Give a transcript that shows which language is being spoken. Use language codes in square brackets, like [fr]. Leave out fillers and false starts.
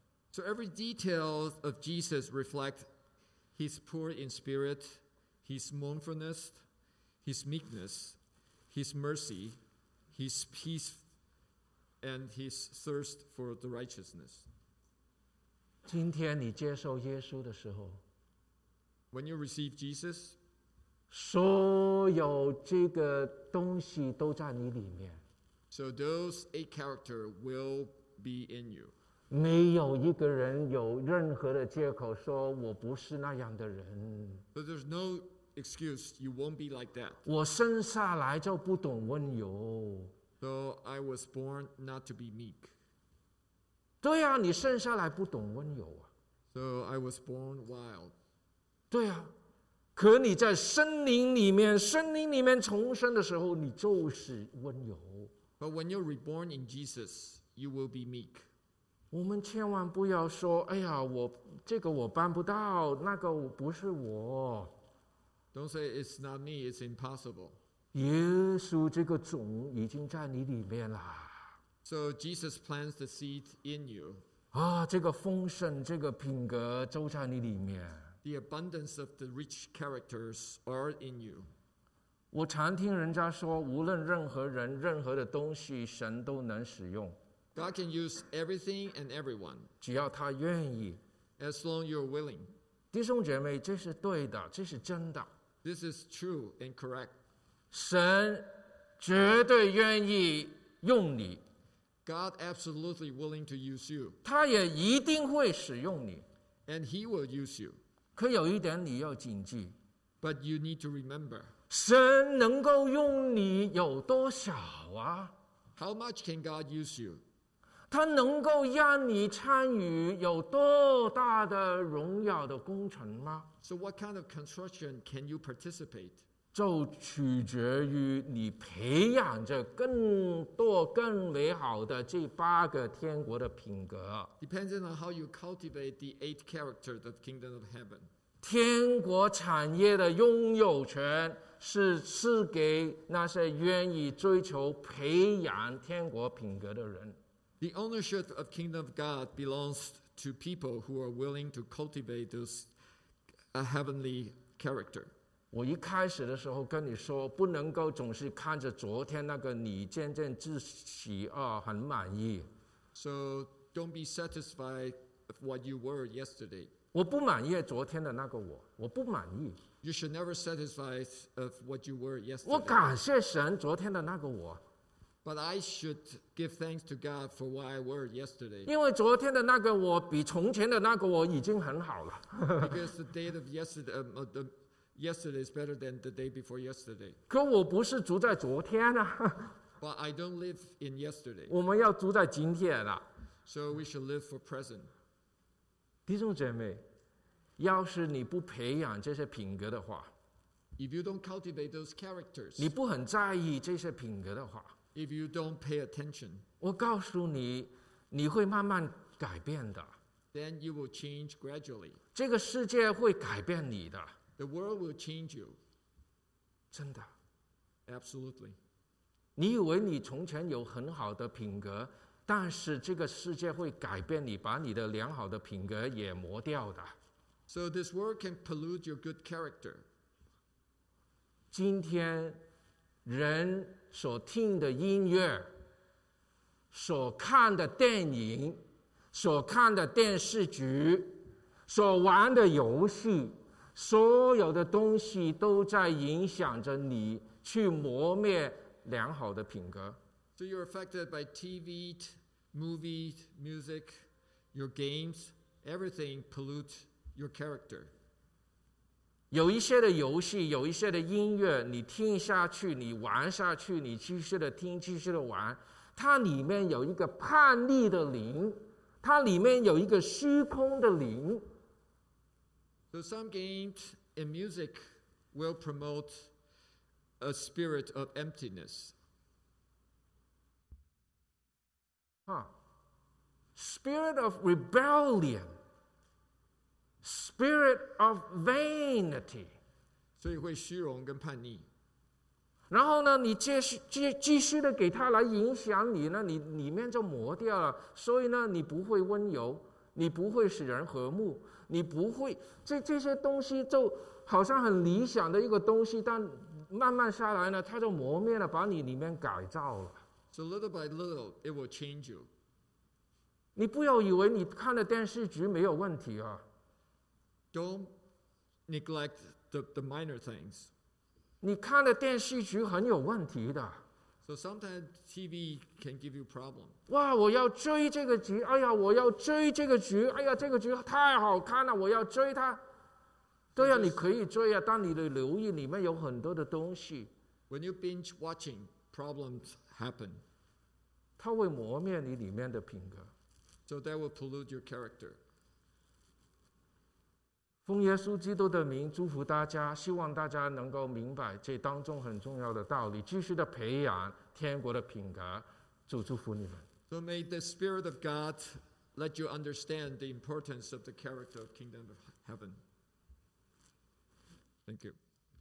[en] So every detail of Jesus reflect his poor in spirit, his mournfulness, his meekness, his mercy, his peace, and his thirst for the righteousness. [zh] 今天你接受耶稣的时候 [en] ，When you receive Jesus， [zh] 所有这个东西都在你里面。 [en] So those eight characters will be in you。 [zh] 没有一个人有任何的借口说我不是那样的人。 [en] But there's no excuse you won't be like that。 [zh] 我生下来就不懂温柔。 [en] So I was born not to be meek。 [zh] 对啊，你生下来不懂温柔啊。 [en] So I was born wild. [zh] 对啊，可你在森林里面，森林里面重生的时候，你就是温柔。 [en] But when you're reborn in Jesus, you will be meek. [zh] 我们千万不要说，哎呀，我这个我办不到，那个不是我。 [en] Don't say it's not me, it's impossible. [zh] 耶稣这个种已经在你里面了。 [en] So Jesus plants the seed in you. [zh] 啊，这个丰盛，这个品格都在你里面。 [en] The abundance of the rich characters are in you. [zh] 我常听人家说，无论任何人、任何的东西，神都能使用。 [en] God can use everything and everyone. [zh] 只要他愿意。 [en] As long you're willing. [zh] 弟兄姐妹，这是对的，这是真的。 [en] This is true and correct. [zh] 神绝对愿意用你。 [en] God absolutely willing to use you. [zh] 他也一定会使用你。 [en] And he will use you. [zh] 可有一点你要谨记。 [en] But you need to remember. [zh] 神能够用你有多少啊？ [en] How much can God use you? [zh] 他能够让你参与有多大的荣耀的工程吗？ [en] So what kind of construction can you participate? [zh] 就取决于你培养着更多更美好的这八个天国的品格。 [en] Depends on how you cultivate the eight characters of the kingdom of heaven. [zh] 天国产业的拥有权是赐给那些愿意追求培养天国品格的人。 [en] The ownership of kingdom of God belongs to people who are willing to cultivate this heavenly character. [zh] 我一开始的时候跟你说，不能够总是看着昨天那个你渐渐自喜啊，很满意。 [en] So don't be satisfied with what you were yesterday. [zh] 我不满意昨天的那个我，我不满意。 [en] You should never satisfy of what you were yesterday. [zh] 我感谢神昨天的那个我。 [en] But I should give thanks to God for what I were yesterday. [zh] 因为昨天的那个我比从前的那个我已经很好了。 [en] Because the day of yesterday is better than the day before yesterday. [zh] 可我不是住在昨天啊。 [en] But I don't live in yesterday. [zh] 我们要住在今天啊。 [en] So we should live for present. [zh] 弟兄姐妹，要是你不培养这些品格的话， [en] If you don't cultivate those characters, [zh] 你不很在意这些品格的话， [en] If you don't pay attention, [zh] 我告诉你，你会慢慢改变的。 [en] Then you will change gradually. [zh] 这个世界会改变你的。 [en] The world will change you. [zh] 真的。 [en] Absolutely. [zh] 你以为你从前有很好的品格，但是这个世界会改变你，把你的良好的品格也磨掉的。 [en] So this world can pollute your good character. [zh] 今天人所听的音乐，所看的电影，所看的电视剧，所玩的游戏，所有的东西都在影响着你去磨灭良好的品格。 [en] So you're affected by TV, movie, music, your games, everything pollutes your character. [zh] 有一些的游戏，有一些的音乐，你听下去，你玩下去，你继续的听，继续的玩，它里面有一个叛逆的灵，它里面有一个虚空的灵。 [en] So some games and music will promote a spirit of emptiness. Spirit of rebellion. Spirit of vanity. [zh] 所以会虚荣跟叛逆。然后呢，你继续的给他来影响你呢，你里面就磨掉了。所以呢，你不会温柔，你不会使人和睦，你不会这些东西就好像很理想的一个东西，但慢慢下来呢，它就磨灭了，把你里面改造了。 [en] So little by little, it will change you. [zh] 你不要以为你看的电视剧没有问题啊。 [en] Don't neglect the minor things. [zh] 你看的电视剧很有问题的。 [en] So sometimes TV can give you problem. [zh] 哇，我要追这个剧，哎呀，我要追这个剧，哎呀，这个剧太好看了，我要追它。对呀，你可以追呀，但你的留意里面有很多的东西。 [en] When you binge watching, problems happen. [zh] 它会磨灭你里面的品格。 [en] So that will pollute your character. [zh] 奉耶稣基督的名祝福大家，希望大家能够明白这当中很重要的道理，继续的培养天国的品格。主祝福你们。 [en] So may the Spirit of God let you understand the importance of the character of Kingdom of Heaven. Thank you.